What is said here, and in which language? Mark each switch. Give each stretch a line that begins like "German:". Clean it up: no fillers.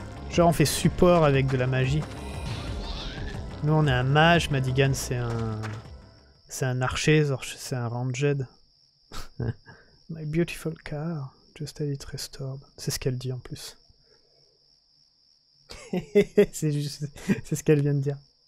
French: Genre, on fait support avec de la magie. Nous, on est un mage, Madigan, c'est un archer, c'est un ranged.
English: My beautiful car, just a little restored.
French: C'est ce qu'elle dit, en plus. c'est ce qu'elle vient de dire.